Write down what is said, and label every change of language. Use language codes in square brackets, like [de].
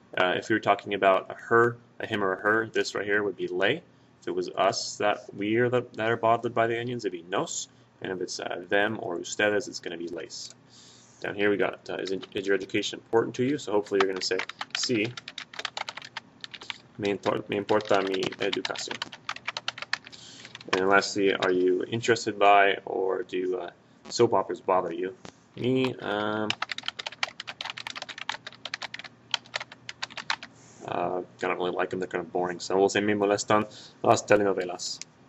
[en] If you're talking about a him or a her, this right here would be le. If it was us that we are that are bothered by the onions, it'd be nos. And if it's them or ustedes, it's going to be les. Down here we got is your education important to you? So hopefully you're going to say si. [es] Me importa mi educación. [en] And lastly, are you interested by or do soap operas bother you? I don't really like them. They're kind of boring. So we'll say [es] me molestan las telenovelas.